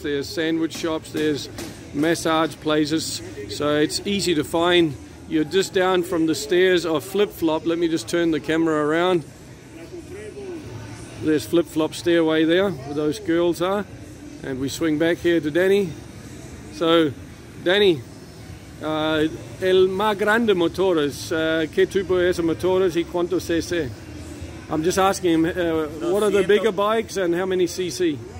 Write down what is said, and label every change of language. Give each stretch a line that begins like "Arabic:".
English: There's sandwich shops, there's massage places, so it's easy to find. You're just down from the stairs of Flip Flop. Let me just turn the camera around. There's Flip Flop stairway there where those girls are. And we swing back here to Danny.
Spanish: So, Danny, el más grande motores, ¿qué tipo es motores y cuánto cc?
English: I'm just asking him, what are the bigger bikes and how many cc?